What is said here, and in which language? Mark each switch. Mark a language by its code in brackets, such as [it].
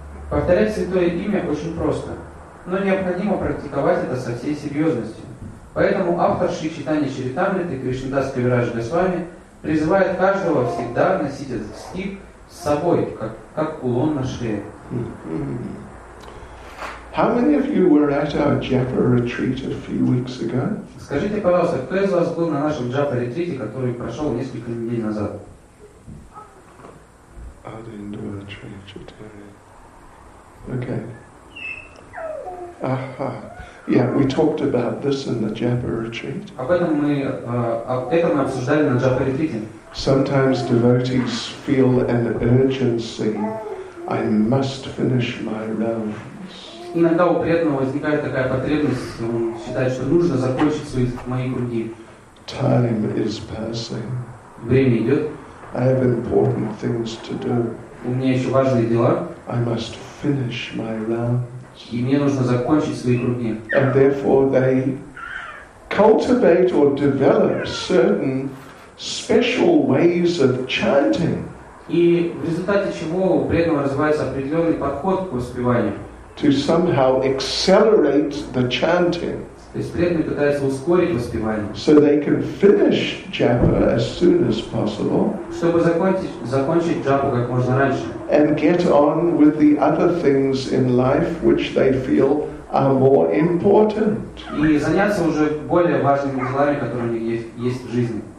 [ru] Повторять святое имя очень просто, но необходимо практиковать это со всей серьезностью. Поэтому автор Шри Чайтанья Чаритамриты Кришнадас Кавираджа Госвами призывает каждого всегда носить этот стих с собой, как кулон на шее. [en] How many of you were at our Japa retreat a few weeks ago? [ru] Скажите, пожалуйста, кто из вас был на нашем Japa ретрите, который прошел несколько недель назад? [en] I didn't do a retreat today. Okay. Yeah, we talked about this in the Japa retreat. [ru] Об этом мы обсуждали на Japa ретрите. [en] Sometimes devotees feel an urgency. I must finish my realm. [ru] Иногда у преданного возникает такая потребность, он считает, что нужно закончить свои мои круги. [en] Time is passing. [ru] Время идет. [en] I have important things to do. [ru] У меня еще важные дела. [en] I must finish my rounds. [ru] И мне нужно закончить свои круги. [en] And therefore they cultivate or develop certain special ways of chanting. [ru] И в результате чего у преданного развивается определенный подход к воспеванию. [en] To somehow accelerate the chanting. [ru] То есть преданный пытается ускорить воспевание. [en] So they can finish japa as soon as possible. [ru] Чтобы закончить джапу как можно раньше. [en] And get on with the other things in life which they feel are more important. [ru] И заняться уже более важными делами, которые у них есть в жизни.